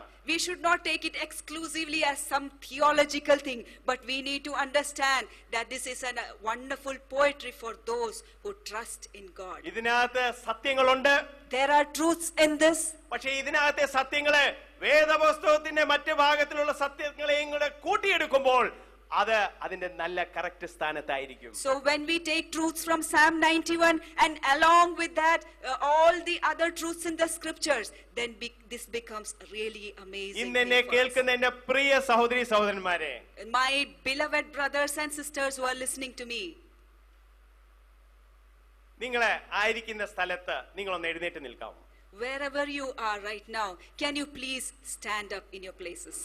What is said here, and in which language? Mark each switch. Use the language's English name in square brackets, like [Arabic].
[English] We should not take it exclusively as some theological thing, but we need to understand that this is a wonderful poetry for those who trust in God. [Malayalam] ഇതിനകത്തെ സത്യങ്ങളുണ്ട്. [English] There are truths in this. [Malayalam] പക്ഷേ ഇതിനകത്തെ സത്യങ്ങളെ വേദപുസ്തകത്തിന്റെ മറ്റു ഭാഗത്തിലുള്ള സത്യങ്ങളെയും കൂടി കൂട്ടിയെടുക്കുമ്പോൾ അത് അതിന്റെ നല്ല correct സ്ഥാനത്തായിരിക്കും. [English] So when we take truth from Psalm 91 and along with that all the other truths in the scriptures then this becomes really amazing. [Malayalam] ഇന്ന് എന്നെ കേൾക്കുന്ന എന്റെ പ്രിയ സഹോദരി സഹോദരന്മാരെ, [English] my beloved brothers and sisters who are listening to me, [Malayalam] നിങ്ങൾ ആയിരിക്കുന്ന സ്ഥലത്ത് നിങ്ങൾ ഒന്ന് എഴുന്നേറ്റ് നിൽക്കാം. [English] Wherever you are right now, can you please stand up in your places?